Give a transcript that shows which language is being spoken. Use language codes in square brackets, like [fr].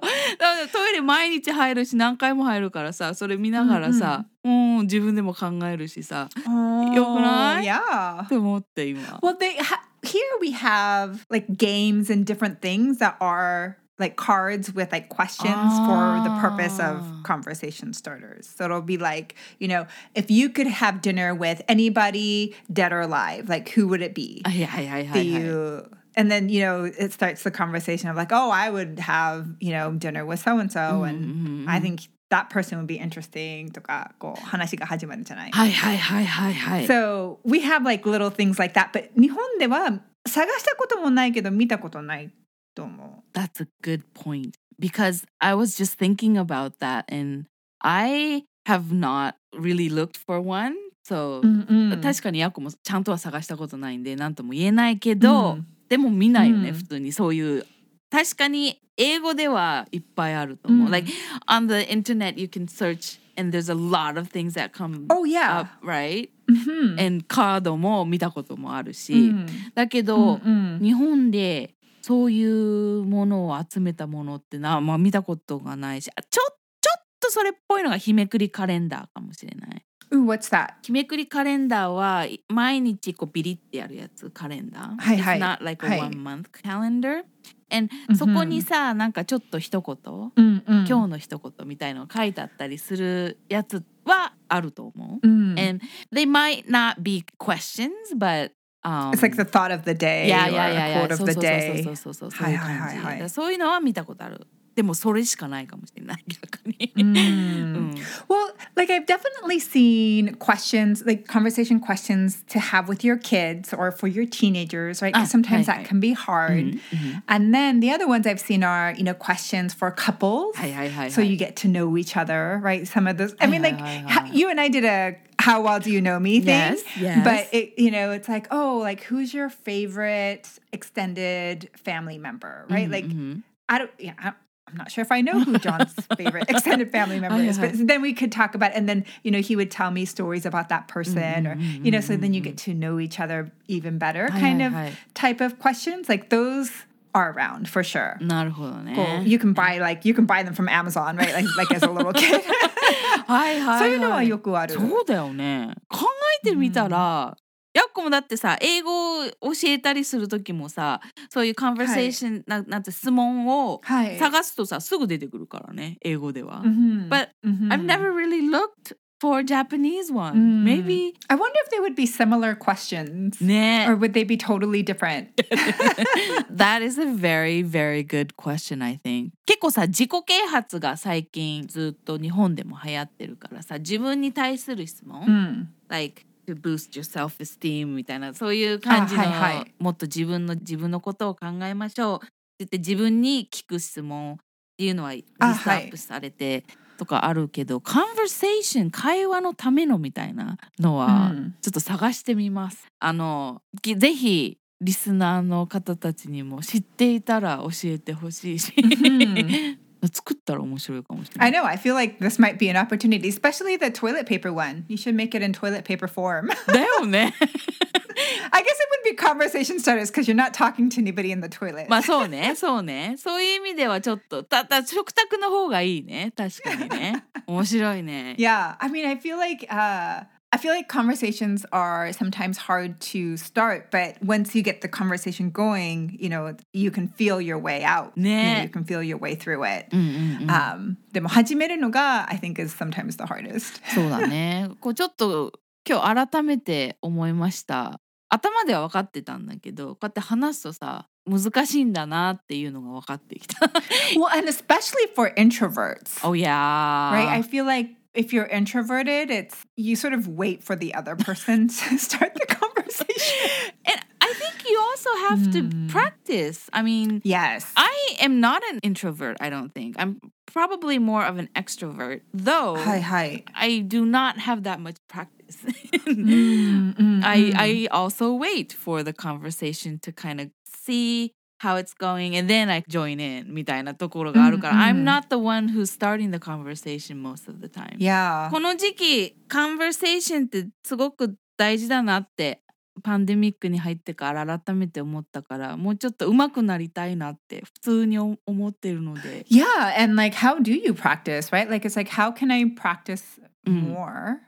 [ja] だからトイレ毎日入るし何回も入るからさ、それ見ながらさ、自分でも考えるしさ、よくない？ [en] Yeah. [ja] と思って今。 [en] Well, they Here we have like games and different things that are like cards with like questions for the purpose of conversation starters. So it'll be like, you know, if you could have dinner with anybody dead or alive, like who would it be? And then, you know, it starts the conversation of like, oh, I would have, you know, dinner with so-and-so. And I think that person would be interesting [ja] とかこう話が始まるじゃない。はいはいはいはいはい。 [en] So we have like little things like that, but [ja] 日本では探したこともないけど見たことないと思う。 [en] That's a good point. Because I was just thinking about that and I have not really looked for one. So mm-hmm. [ja] 確かにヤコもちゃんとは探したことないんで何とも言えないけど、mm-hmm. でも見ないよね、mm-hmm. 普通にそういう。確かに英語ではいっぱいあると思う。 Mm-hmm. [en] Like on the internet you can search and there's a lot of things that come oh, yeah. up, right? Mm-hmm. And [ja] カードも見たこともあるし。 Mm-hmm. だけど、 mm-hmm. 日本でそういうものを集めたものってな、まあ、見たことがないし、ちょっとそれっぽいのが日めくりカレンダーかもしれない。 [en] Ooh, what's that? [ja] 日めくりカレンダーは毎日こうビリってやるやつカレンダー。はいはい。 [en] It's not like a one month calendar. And、 mm-hmm. [ja] そこにさなんかちょっと一言、 mm-hmm. 今日の一言みたいなの書いてあったりするやつはあると思う。 Mm-hmm. [en] And they might not be questions, but、 it's like the thought of the day. Yeah, or yeah, yeah, yeah. Quote of the day. [ja] そうそうそうそうそうそう。はいはいはいはい。そういうのは見たことある。でもそれしかないかもしれない。逆に。Mm. [en] Well, like I've definitely seen questions, like conversation questions to have with your kids or for your teenagers, right? Because sometimes that can be hard. Mm-hmm. And then the other ones I've seen are, you know, questions for couples. So you get to know each other, right? Some of those. I mean, like you and I did a how well do you know me thing. Yes, yes. But, it, you know, it's like, oh, like who's your favorite extended family member, right? Mm-hmm. Like, I don't, yeah, I'm not sure if I know who John's favorite extended family member is, but then we could talk about it. And then, you know, he would tell me stories about that person mm-hmm, or, mm-hmm, you know, so then you get to know each other even better kind of type of questions. Like those are around for sure. [ja] なるほどね。 [en] Cool. You can buy like, you can buy them from Amazon, right? Like as a little kid. [ja] はいはいはい。そういうのはよくある。そうだよね。考えてみたら、ヤッコもだってさ、英語を教えたりするときもさ、そういうコンバーセーション、なんて質問を探すとさ、すぐ出てくるからね、英語では。 Mm-hmm. [en] But mm-hmm. I've never really looked for a Japanese one.、 Mm-hmm. Maybe. I wonder if they would be similar questions. [ja] ね。 [en] Or would they be totally different? That is a very, very good question, I think. [ja] 結構さ、自己啓発が最近ずっと日本でも流行ってるからさ、自分に対する質問、 mm-hmm. [en] like,to boost your self-esteem [ja] みたいなそういう感じの、はいはい、もっと自分のことを考えましょうって言って自分に聞く質問っていうのはリストアップされてとかあるけど、はい、conversation 会話のためのみたいなのはちょっと探してみます、うん、あのぜひリスナーの方たちにも知っていたら教えてほしいし、うん作ったら面白いかもしれない。 [en] I know. I feel like this might be an opportunity, especially the toilet paper one. You should make it in toilet paper form. [ja] だよね。 [en] I guess it would be conversation starters because you're not talking to anybody in the toilet. [ja] まあそうね、そうね。そういう意味ではちょっと、ただ食卓の方がいいね。確かにね。面白いね。 [en] Yeah. I mean, I feel like conversations are sometimes hard to start, but once you get the conversation going, you know, you can feel your way out. [ja] ね。 [en] You know, you can feel your way through it. [ja] うんうんうん。でも始めるのが、 [en] I think, is sometimes the hardest. [ja] そうだね。こうちょっと今日改めて思いました。頭では分かってたんだけど、こうやって話すとさ、難しいんだなっていうのが分かってきた。 [en] Well, and especially for introverts. Oh, yeah. Right? I feel like... If you're introverted, it's you sort of wait for the other person to start the conversation. And I think you also have to practice. I mean, yes, I am not an introvert, I don't think. I'm probably more of an extrovert, though. Hi, hi. I do not have that much practice. I also wait for the conversation to kind of see how it's going and then I join in [ja] みたいなところがあるから、 [en] mm-hmm. I'm not the one who's starting the conversation most of the time. Yeah. [ja] この時期 conversation ってすごく大事だなってパンデミックに入ってから改めて思ったからもうちょっと上手くなりたいなって普通に思ってるので [en] Yeah, and like how do you practice, right? Like it's like how can I practice more、mm-hmm.